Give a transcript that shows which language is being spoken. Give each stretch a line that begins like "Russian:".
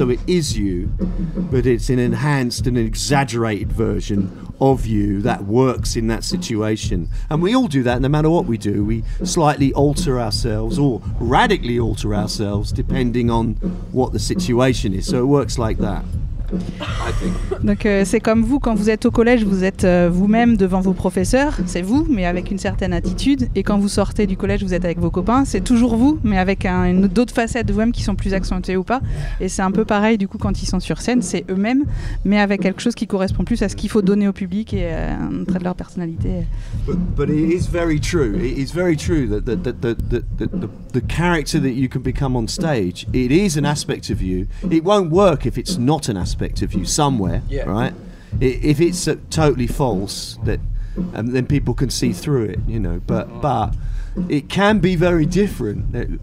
English: So it is you, but it's an enhanced and exaggerated version of you that works in that situation. And we all do that no matter what we do. We slightly alter ourselves or radically alter ourselves depending on what the situation is. So it works like that.
French: Donc c'est comme vous, quand vous êtes au collège, vous êtes vous-même devant vos professeurs, c'est vous, mais avec une certaine attitude. Et quand vous sortez du collège, vous êtes avec vos copains, c'est toujours vous, mais avec d'autres facettes de vous-même qui sont plus accentuées ou pas. Et c'est un peu pareil du coup quand ils sont sur scène, c'est eux-mêmes, mais avec quelque chose qui correspond plus à ce qu'il faut donner au public et un trait de leur personnalité.
English: But it is very true. It is very true that the character that you can become on stage, it is an aspect of you. It won't work if it's not an aspect of you somewhere, right? If it's totally false, that and then people can see through it, you know. But but it can be very different.